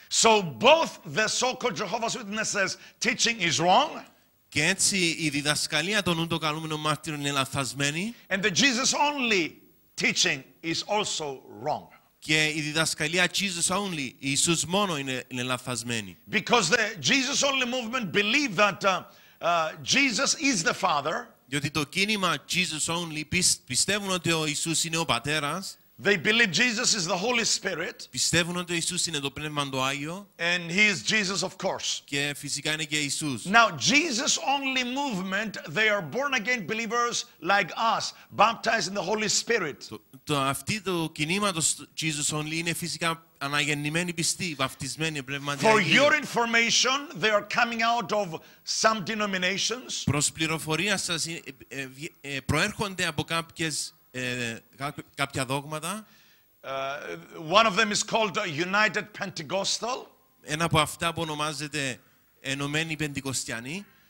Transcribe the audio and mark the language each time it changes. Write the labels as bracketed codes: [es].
[en] So both the so-called Jehovah's Witnesses teaching is wrong. [el] Και έτσι η διδασκαλία των ουδοκαλούμενων μάρτυρων είναι λαθασμένη. [en] And the Jesus only teaching is also wrong. [el] Και η διδασκαλία Jesus only, Ιησούς μόνο είναι λαθασμένη. [en] Because the Jesus only movement believe that Jesus is the Father. [el] Διότι το κίνημα Jesus Only πιστεύουν ότι ο Ιησούς είναι ο Πατέρας. [en] They believe Jesus is the Holy Spirit. [el] Πιστεύουν ότι ο Ιησούς είναι το Πνεύμα το Άγιο. [en] And he is Jesus, of course. [el] Και φυσικά είναι και Ιησούς. [en] Now, Jesus Only movement, they are born again believers like us, baptized in the Holy Spirit. [el] Αυτή το κίνημα το Jesus Only είναι φυσικά αναγεννημένοι πιστοί, βαφτισμένοι πνευματικά. [en] For your information, they are coming out of some denominations. [el] Προς πληροφορία σας, προέρχονται από κάποιες κάποια δόγματα. [en] One of them is called United Pentecostal. [el] Ένα από αυτά που ονομάζεται Ενωμένοι Πεντηκοστιανοί.